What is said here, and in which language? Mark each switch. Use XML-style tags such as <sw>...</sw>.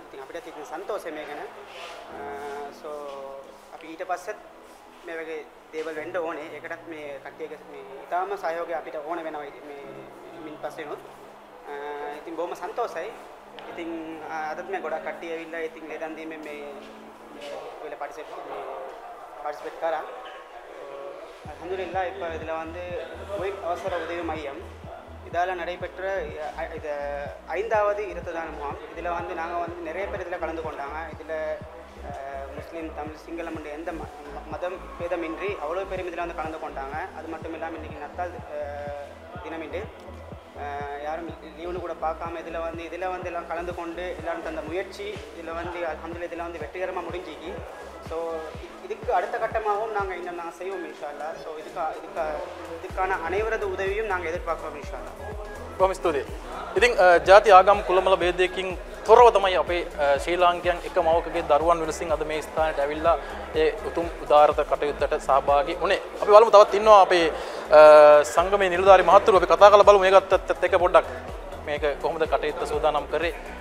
<si>ඉතින් අපිටත් ඉතින් සන්තෝෂයි මේ ගැන. සෝ අපි ඊට පස්සෙත් මේ වගේ දේවල් වෙන්න ඕනේ. ඒකටත් මේ කට්ටියක මේ ඉතාම සහයෝගය අපිට ඕන වෙනවා මේ මින් පස්සෙනොත්. ඉතින් බොහොම සන්තෝෂයි. ඉතින් අදත් මේ ගොඩක් කට්ටිය ඇවිල්ලා ඉතින් ලේදන් දීමේ මේ ඔයල පාටිසිපේට් කරා.</si> <ta>அல்ஹம்துலில்லாஹ் இப்போ இதில் வந்து ஒய் அவசர உதவி மையம் இதால் நடைபெற்ற இது ஐந்தாவது இரத்ததான முகாம். இதில் வந்து நாங்கள் வந்து நிறைய பேர் இதில் கலந்து கொண்டாங்க. இதில் முஸ்லீம் தமிழ் சிங்களம் என்று எந்த மதம் பேதமின்றி அவ்வளோ பேரும் இதில் வந்து கலந்து கொண்டாங்க. அது மட்டும் இல்லாமல் இன்றைக்கி நத்தால் தினமின்றி யாரும் லீவுன்னு கூட பார்க்காம இதில் வந்து எல்லாம் கலந்து கொண்டு எல்லாரும் தந்த முயற்சி இதில் வந்து அல்ஹம்துலில்லாஹ் இதில் வந்து வெற்றிகரமாக முடிஞ்சிக்கி. ஸோ இதுக்கு அடுத்த கட்டமாகவும் நாங்கள் இன்னும் நாங்கள் செய்வோம் இன்ஷால்லா. ஸோ இதுக்கான அனைவரது உதவியும் நாங்கள் எதிர்பார்க்குறோம் இன்ஷால்லா. ரொம்ப ஸ்தூதி.</ta> <si>ඉතින් ජාති ආගම් කුලමල ભેදයකින් තොරව තමයි අපේ ශ්‍රී ලාංකිකයන් එක මවකගේ දරුවන් විසින් අද මේ ස්ථානයට ඇවිල්ලා ඒ උතුම් උදාරත කටයුත්තට සහභාගී වුණේ. අපි බලමු තවත් ඉන්නවා අපේ සංගමයේ නිලධාරි මහත්වරු. අපි කතා කරලා බලමු මේකත් එක පොඩ්ඩක් මේක කොහොමද කටයුත්ත සූදානම් කරේ.</si>